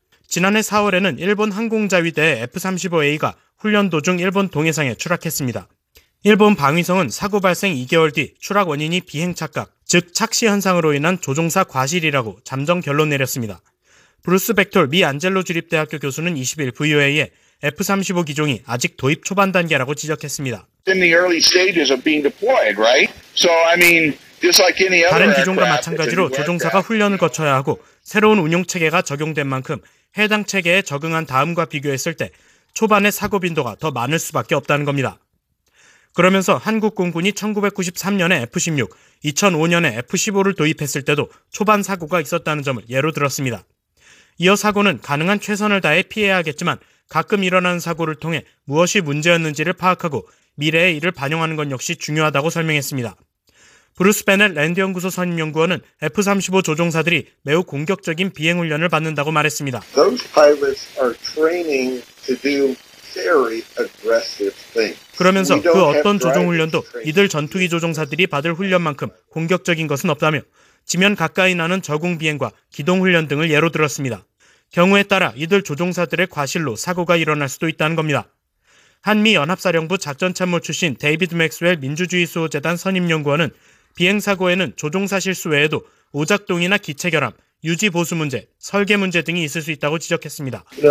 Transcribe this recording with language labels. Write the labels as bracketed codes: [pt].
[ko] 지난해 4월에는 일본 항공자위대 F-35A가 훈련 도중 일본 동해상에 추락했습니다. 일본 방위성은 사고 발생 2개월 뒤 추락 원인이 비행 착각, 즉 착시 현상으로 인한 조종사 과실이라고 잠정 결론 내렸습니다. 브루스 벡톨 미 안젤로 주립대학교 교수는 20일 VOA에 F-35 기종이 아직 도입 초반 단계라고 지적했습니다. [en] In the early stages of being deployed, right? So I mean, just like any other [ko] 다른 기종과 마찬가지로 조종사가 훈련을 거쳐야 하고 새로운 운용 체계가 적용된 만큼 해당 체계에 적응한 다음과 비교했을 때 초반의 사고 빈도가 더 많을 수밖에 없다는 겁니다. 그러면서 한국 공군이 1993년에 F-16, 2005년에 F-15를 도입했을 때도 초반 사고가 있었다는 점을 예로 들었습니다. 이어 사고는 가능한 최선을 다해 피해야겠지만 가끔 일어나는 사고를 통해 무엇이 문제였는지를 파악하고 미래에 이를 반영하는 건 역시 중요하다고 설명했습니다. 브루스 베넷 랜드연구소 선임연구원은 F-35 조종사들이 매우 공격적인 비행훈련을 받는다고 말했습니다. [en] Those pilots are training to do very aggressive things. [ko] 그러면서 그 어떤 조종훈련도 이들 전투기 조종사들이 받을 훈련만큼 공격적인 것은 없다며 지면 가까이 나는 저공비행과 기동훈련 등을 예로 들었습니다. 경우에 따라 이들 조종사들의 과실로 사고가 일어날 수도 있다는 겁니다. 한미연합사령부 작전참모 출신 데이비드 맥스웰 민주주의수호재단 선임연구원은 비행사고에는 조종사 실수 외에도 오작동이나 기체결함, 유지보수 문제, 설계 문제 등이 있을 수 있다고 지적했습니다.